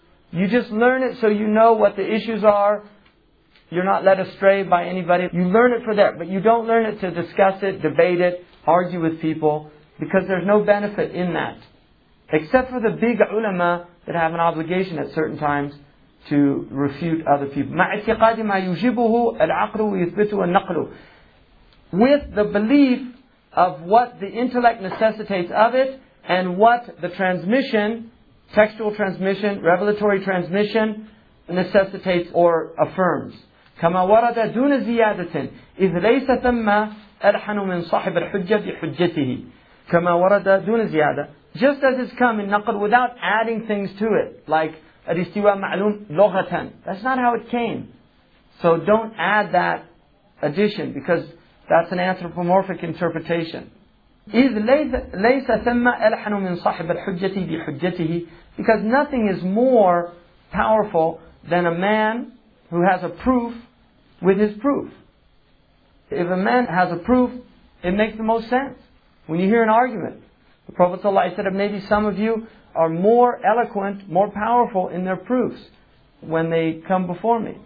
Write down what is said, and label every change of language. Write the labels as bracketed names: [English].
[English] You just learn it so you know what the issues are. You're not led astray by anybody. You learn it for that, but you don't learn it to discuss it, debate it, argue with people, because there's no benefit in that. Except for the big ulama that have an obligation at certain times to refute other people. [Arabic] مع اعتقاد ما يجبه العقل ويثبته النقل. [English] With the belief of what the intellect necessitates of it, and what the transmission, textual transmission, revelatory transmission, necessitates or affirms. [Arabic] كما ورد دون زيادة إذ ليس ثم ألحن من صاحب الحجة بحجته. كما ورد دون زيادة. [English] Just as it's come in نقل without adding things to it, like [Arabic] الاستواء معلوم لغة. [English] That's not how it came. So don't add that addition because that's an anthropomorphic interpretation. [Arabic] إذ ليس ثم ألحن من صاحب الحجة بحجته. [English] Because nothing is more powerful than a man who has a proof with his proof. If a man has a proof, it makes the most sense. When you hear an argument, the Prophet ﷺ said, maybe some of you are more eloquent, more powerful in their proofs when they come before me.